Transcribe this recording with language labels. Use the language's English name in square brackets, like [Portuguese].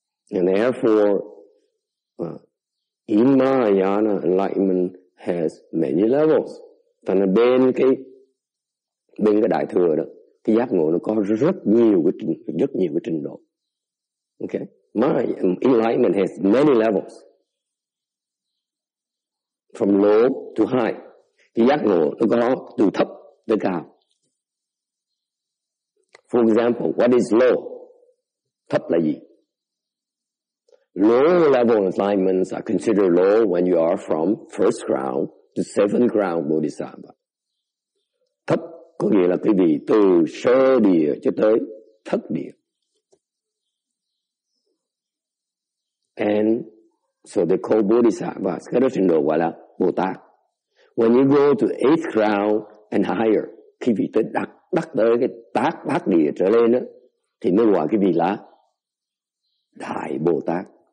[English] And therefore, in Mahayana, enlightenment has many levels. [Vietnamese] Thành ra bên cái đại thừa đó, cái giác ngộ nó có rất nhiều cái trình độ. Okay. [English] My enlightenment has many levels, from low to high. [Vietnamese] Cái giác ngộ nó có từ thấp tới cao. [English] For example, what is low? [Vietnamese] Thấp là gì? [English] Low level enlightenments are considered low when you are from first ground to seventh ground bodhisattva. [Vietnamese] Thấp có nghĩa là quý vị từ sơ địa cho tới thất địa. [English] And so they call Bodhisattva, [Vietnamese] cái đó trình độ gọi là Bồ Tát. [English] When you go to eighth ground and higher, [Vietnamese] khi vị tới đắc tới cái tác bát địa trở lên đó, thì mới gọi cái vị là Đại Bồ Tát.